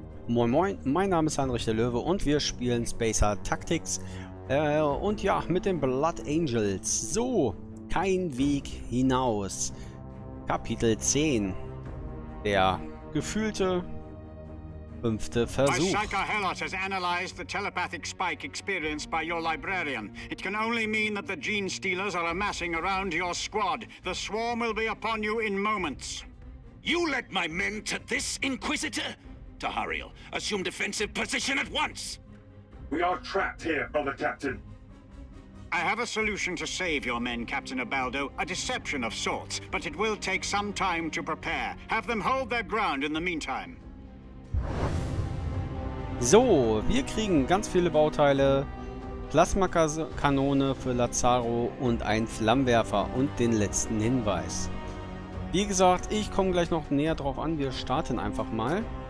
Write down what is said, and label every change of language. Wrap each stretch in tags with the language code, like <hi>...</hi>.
<de>Moin moin, mein Name ist Heinrich der Löwe und wir spielen Spacer Tactics und ja, mit den Blood Angels. So, kein Weg hinaus. Kapitel 10. Der gefühlte fünfte Versuch.</de> <en>My Psyker Helot has analyzed the telepathic spike experienced by your librarian. It can only mean that the gene stealers are amassing around your squad. The swarm will be upon you in moments. You led my men to this, Inquisitor? Tahariel, assume defensive position at once! We are trapped here, Brother Captain. I have a solution to save your men, Captain Abaldo. A deception of sorts, but it will take some time to prepare. Have them hold their ground in the meantime.</en> <de>So, wir kriegen ganz viele Bauteile. Plasmakanone für Lazaro und ein Flammenwerfer und den letzten Hinweis. Wie gesagt, ich komme gleich noch näher drauf an. Wir starten einfach mal.</de>